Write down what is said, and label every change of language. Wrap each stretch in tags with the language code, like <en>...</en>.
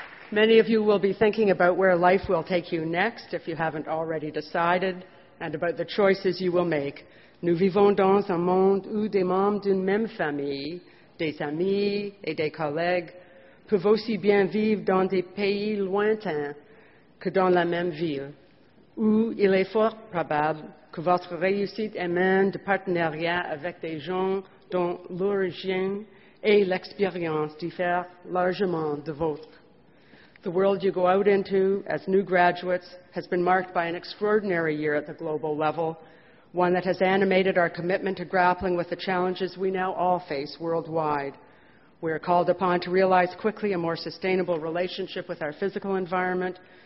<en>Many of you will be thinking about where life will take you next, if you haven't already decided, and about the choices you will make.</en> <fr>Nous vivons dans un monde où des membres d'une même famille, des amis et des collègues, peuvent aussi bien vivre dans des pays lointains que dans la même ville, où il est fort probable que votre réussite émane de partenariats avec des gens dont l'origine et l'expérience diffèrent largement de vôtre.</fr> <en>The world you go out into as new graduates has been marked by an extraordinary year at the global level, one that has animated our commitment to grappling with the challenges we now all face worldwide. We are called upon to realize quickly a more sustainable relationship with our physical environment</en>